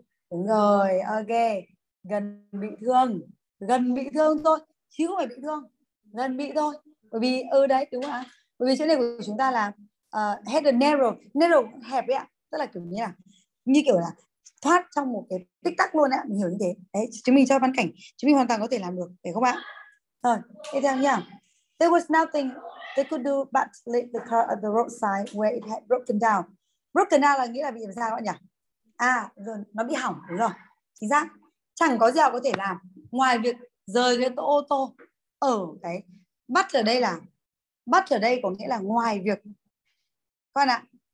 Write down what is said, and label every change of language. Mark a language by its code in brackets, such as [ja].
[vi] Đúng rồi, ok. Gần bị thương thôi, chứ không phải bị thương. Gần bị thôi. Bởi vì, ừ đấy, đúng không ạ? Bởi vì chỗ này của chúng ta là head and narrow. Narrow hẹp ấy ạ. Tức là kiểu như là, như kiểu là thoát trong một cái tích tắc luôn ấy. Mình hiểu như thế. Đấy, chúng mình cho văn cảnh. Chúng mình hoàn toàn có thể làm được, phải không ạ? Rồi, tiếp theo nhá. [en] There was nothing they could do but leave the car at the roadside where it had broken down. [vi] Broken down là nghĩa là bị làm sao ạ nhỉ? À, rồi, nó bị hỏng. Đúng rồi, chính xác. Chẳng có gì họ có thể làm ngoài việc rời cái ô tô ở cái bắt ở đây là bắt ở đây có nghĩa là ngoài việc các bạn ạ.